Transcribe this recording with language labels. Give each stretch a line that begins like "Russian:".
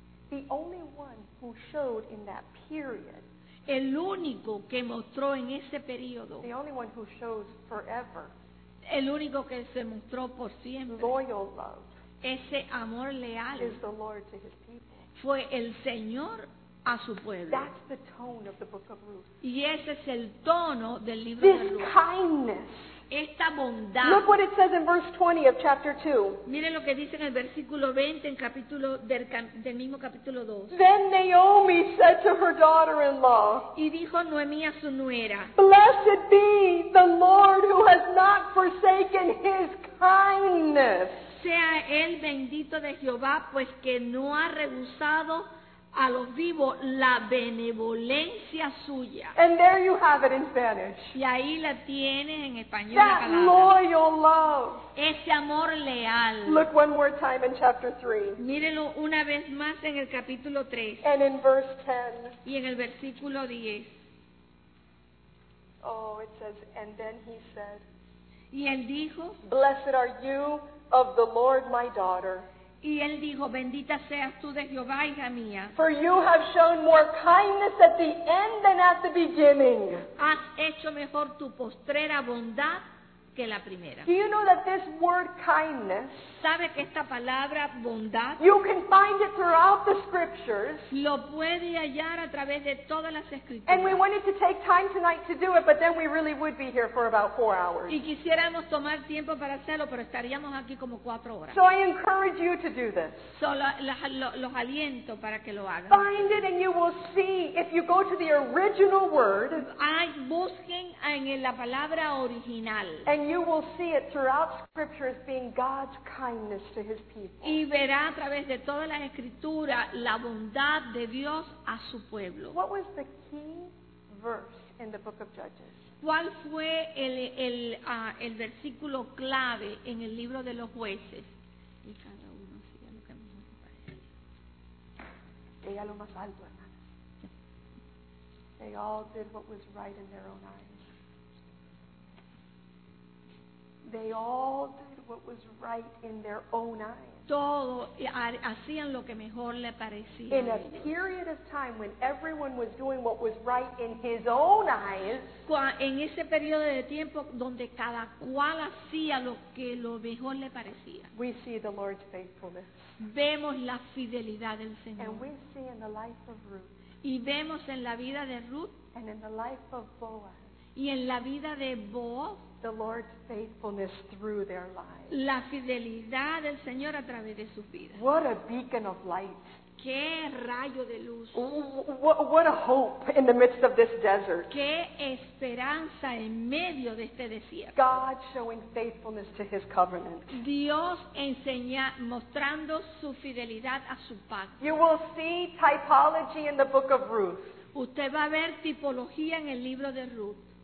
English: The only one who showed in that period.
Spanish: El único que mostró en ese periodo.
English: The only one who shows forever.
Spanish: El único que se mostró por siempre.
English: Loyal love.
Spanish: Ese amor leal
English: is the Lord to his people.
Spanish: Fue el Señor a su pueblo.
English: That's the tone of the book of Ruth.
Spanish: Y ese es el tono del libro
English: this
Spanish: de Ruth.
English: Kindness.
Spanish: Esta bondad.
English: Look what it says in verse 20 of chapter 2.
Spanish: Miren lo que dice en el versículo 20 en capítulo del mismo capítulo 2.
English: Then Naomi said to her daughter-in-law.
Spanish: Y dijo Noemí a su nuera.
English: Blessed be the Lord who has not forsaken his kindness.
Spanish: Sea él bendito de Jehová, pues que no ha rehusado a los vivos la benevolencia suya.
English: And there you have it in Spanish.
Spanish: Y ahí la tienes en español.
English: That loyal love.
Spanish: Ese amor leal.
English: Look one more time in chapter 3.
Spanish: Mírenlo una vez más en el capítulo 3.
English: And in verse 10.
Spanish: Y en el versículo 10.
English: Oh, it says, and then he said.
Spanish: Y él dijo.
English: Blessed are you of the Lord, my daughter.
Spanish: Y él dijo, bendita seas tú de Jehová, hija mía.
English: For you have shown more kindness at the end than at the beginning.
Spanish: Has hecho mejor tu postrera bondad que la primera.
English: Do you know that this word kindness?
Spanish: ¿Sabe que esta palabra bondad?
English: You can find it throughout the scriptures.
Spanish: Lo puede hallar a través de todas las escrituras.
English: And we wanted to take time tonight to do it, but then we really would be here for about 4 hours.
Spanish: Y quisiéramos tomar tiempo para hacerlo, pero estaríamos aquí como 4 horas.
English: So I encourage you to do this.
Spanish: Solo los aliento para que lo hagan.
English: Find it and you will see if you go to the original word.
Spanish: Busquen en la palabra original.
English: And you will see it throughout scripture as being God's kindness to his people.
Spanish: Y verá a través de toda la escritura la bondad de Dios a su pueblo.
English: What was the key verse in the book of Judges?
Spanish: ¿Cuál fue el versículo clave en el libro de los jueces? Y cada uno siga lo que me parece. Ella lo más alto, hermana.
English: They all did what was right in their own eyes. They all did what was right in their own eyes.
Spanish: Todo hacían lo que mejor le parecía.
English: In a period of time when everyone was doing what was right in his own eyes.
Spanish: En ese periodo de tiempo donde cada cual hacía lo que lo mejor le parecía.
English: We see the Lord's faithfulness.
Spanish: Vemos la fidelidad del Señor.
English: And we see in the life of Ruth.
Spanish: Y vemos en la vida de Ruth.
English: And in the life of Boaz.
Spanish: Y en la vida de Boaz.
English: The Lord's faithfulness through their lives.
Spanish: La fidelidad del Señor a través de sus vidas.
English: What a beacon of light.
Spanish: Qué rayo de luz.
English: What a hope in the midst of this desert.
Spanish: Qué esperanza en medio de este desierto.
English: God showing faithfulness to his covenant.
Spanish: Dios enseña mostrando su fidelidad a su pacto.
English: You will see typology in the book of Ruth.
Spanish: Usted va a ver tipología en el libro de Ruth.